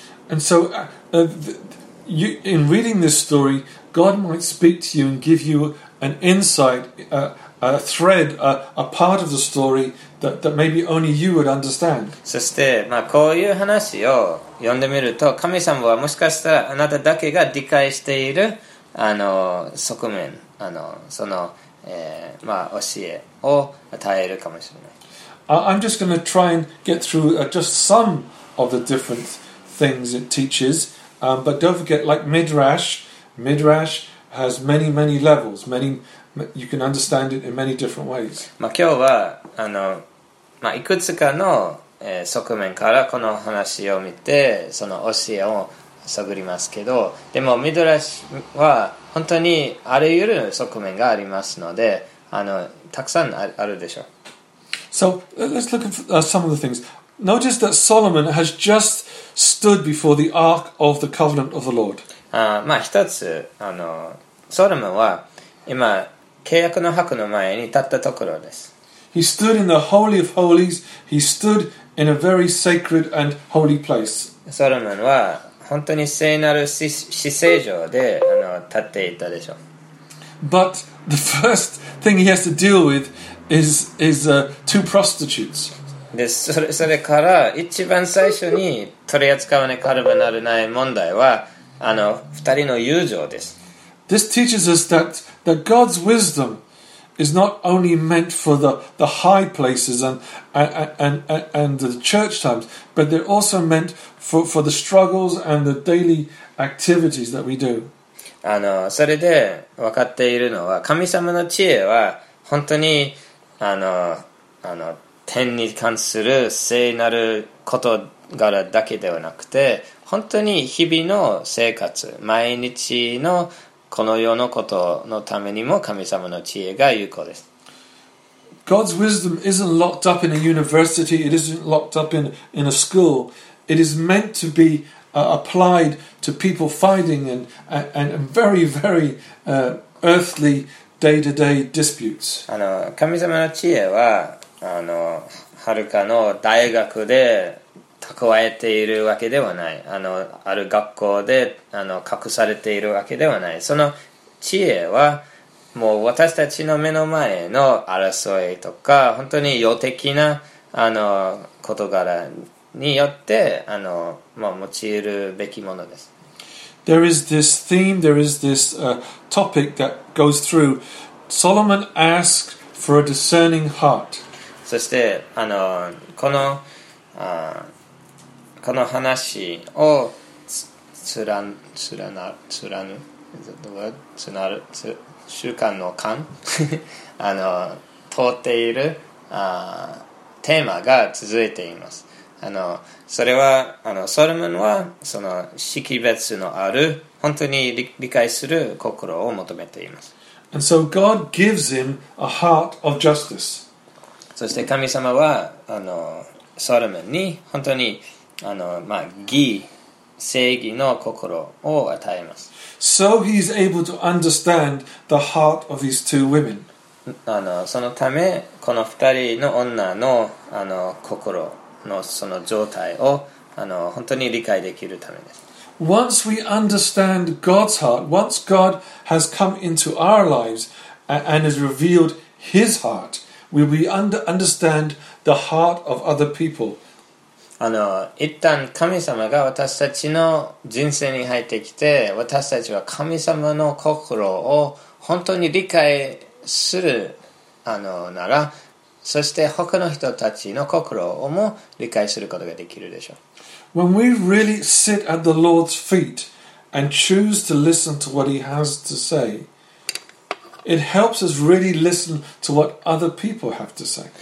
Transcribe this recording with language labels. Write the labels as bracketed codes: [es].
[en] And so, you, in reading this story, God might speak to you and give you an insight, a thread, a part of the story that maybe only you would understand. [ja] そして、まあ、こういう話を読んでみると、神様はもしかしたらあなただけが理解しているあの側面、あの、その、まあ、教えを与えるかもしれない。 [en] I'm just going to try and get through just some of the different things it teaches, but don't forget, like Midrash has many, many levels. Many, you can understand it in many different ways. [ja] まあ、今日は、あの、まあ、いくつかの、側面からこの話を見て、その教えを探りますけど、でも Midrash は本当にあらゆる側面がありますので、あの、たくさんあるでしょう。 [en] So let's look at some of the things. Notice that Solomon has just stood before the Ark of the Covenant of the Lord. [ja] まあ、一つ、あの、ソロモンは今契約の箱の前に立ったところです。 [en] He stood in the Holy of Holies. He stood in a very sacred and holy place. [ja] ソロモンは本当に聖なる至聖所で、あの、立っていたでしょう。 [en] But the first thing he has to deal with is two prostitutes. [ja] で、それから一番最初に取り扱わなければならない問題は、あの、二人の友情です。 [en] This teaches us that God's wisdom is not only meant for the high places and the church times, but they're also meant for the struggles and the daily activities that we do. [ja] あの、それで分かっているのは、神様の知恵は本当に、あの天に関する聖なる事柄だけではなくて、本当に日々の生活、毎日のこの世のことのためにも神様の知恵が有効です。 [en] God's wisdom isn't locked up in a university. It isn't locked up in a school. It is meant to be applied to people fighting and very, very earthly day-to-day disputes. [ja] 神様の知恵は、あの、遥かの大学で蓄えているわけではない。あの、ある学校で、あの、隠されているわけではない。その知恵は、もう私たちの目の前の争いとか、本当に世的な、あの、事柄によって、あの、まあ、用いるべきものです。 [en] There is this theme, there is this topic that goes through. Solomon asked for a discerning heart. [ja] そして、あの、この話を貫 [en] is that the word? [ja] 習慣の勘あの、通っているテーマが続いています。あの、それは、あの、ソロモンはその識別のある本当に理解する心を求めています。 [en] And so God gives him a heart of justice. [ja] そして神様は、あの、ソロモンに本当に、あの、まあ、義、正義の心を与えます。 [en] So he's able to understand the heart of these two women. [ja] あの、そのためこの二人の女の、あの、心のその状態を、あの、本当に理解できるためです。 [en] Once we understand God's heart, once God has come into our lives and has revealed his heart, will we understand the heart of other people? [ja] あの、一旦神様が私たちの人生に入ってきて、私たちは神様の心を本当に理解するあのなら、そして他の人たちの心をも理解することができるでしょう。 [en] When we really sit at the Lord's feet and choose to listen to what He has to say, it helps us really listen to what other people have to say.